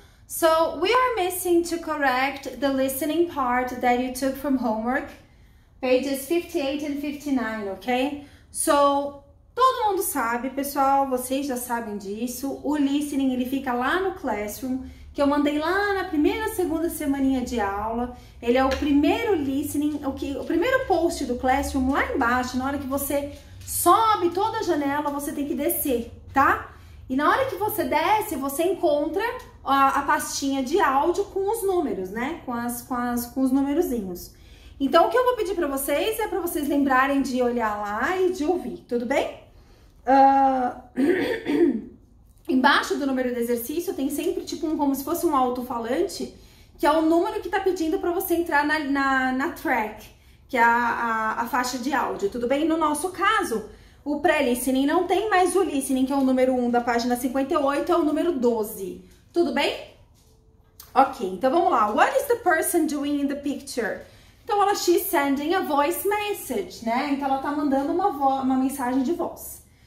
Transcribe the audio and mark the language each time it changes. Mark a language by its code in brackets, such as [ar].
[en] So we are missing to correct the listening part that you took from homework, pages 58 and 59, okay? [pt] So, todo mundo sabe, pessoal, vocês já sabem disso, o listening ele fica lá no classroom, que eu mandei lá na primeira, segunda semaninha de aula. Ele é o primeiro listening, o primeiro post do classroom lá embaixo, na hora que você sobe toda a janela, você tem que descer, tá? E na hora que você desce, você encontra a pastinha de áudio com os números, né? Com os numerozinhos. Então, o que eu vou pedir para vocês é para vocês lembrarem de olhar lá e de ouvir, tudo bem? Embaixo do número do exercício tem sempre tipo como se fosse um alto-falante, que é o número que está pedindo para você entrar na track, que é a faixa de áudio, tudo bem? No nosso caso, o pré-listening não tem, mas o listening, que é o número 1 da página 58, é o número 12. Tudo bem? Ok, então vamos lá. [en] What is the person doing in the picture? Então, she's sending a voice message, né? [pt] Então, ela tá mandando uma mensagem de voz.